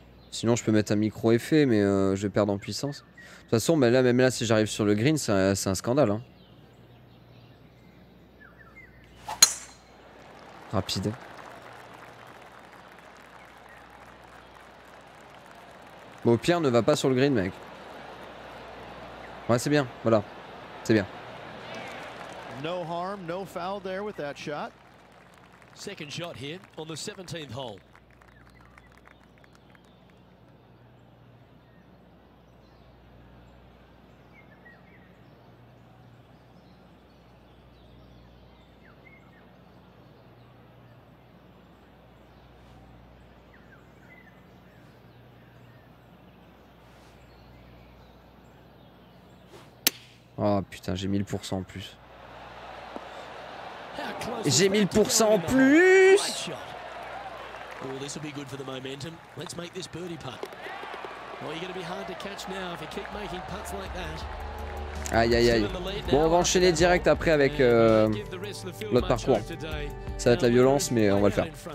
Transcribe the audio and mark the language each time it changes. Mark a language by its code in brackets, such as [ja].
[fr] Sinon, je peux mettre un micro effet, mais je vais perdre en puissance. De toute façon, là, si j'arrive sur le green, c'est un scandale. Hein. Rapide. Bon, Pierre ne va pas sur le green, mec. Ouais, c'est bien. Voilà. C'est bien. [en] No harm, no foul there with that shot. Second shot here on the 17th hole. [fr] Oh putain, j'ai 1000% en plus. J'ai 1000% en plus. [en] Oh, this will be good for the momentum. Let's make this birdie putt. Well, you're going to be hard to catch now if you keep making putts like that. [fr] Aïe aïe aïe. Bon, on va enchaîner direct après avec l'autre parcours. Ça va être la violence, mais on va le faire.